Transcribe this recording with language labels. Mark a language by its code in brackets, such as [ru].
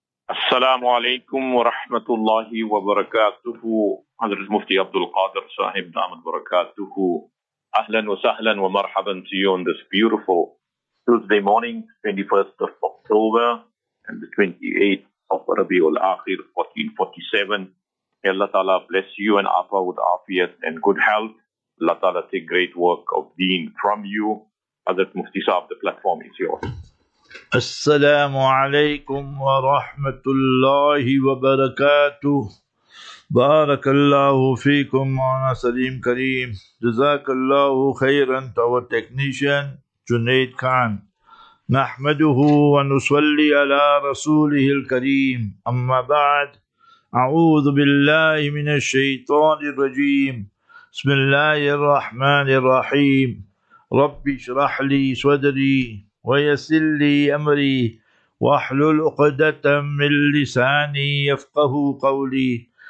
[ar] السلام عليكم ورحمة الله وبركاته. حضرت مفتي عبد القادر صاحب دام البركاته، أهلا وسهلا ومرحبا [en] to you on this beautiful Tuesday morning, 21st of October and the 28th of Rabiul Akhir 1447. Allah Ta'ala bless you and Afa with Afiyat and good health. Allah Ta'ala take great work of Deen from you. Hazrat Mufti Sahab, the platform is yours. [ar] السلام عليكم ورحمة الله وبركاته. بارك الله فيكم وانا سليم كريم. جزاك الله خيرا [en] to our technician Junaid Khan. [ar] نحمده ونصلي على رسوله الكريم. أما بعد، أعوذ بالله من الشيطان الرجيم. بسم الله الرحمن الرحيم. ربي اشرح لي صدري ويسر لي أمري واحلل عقدة من لساني يفقه قولي.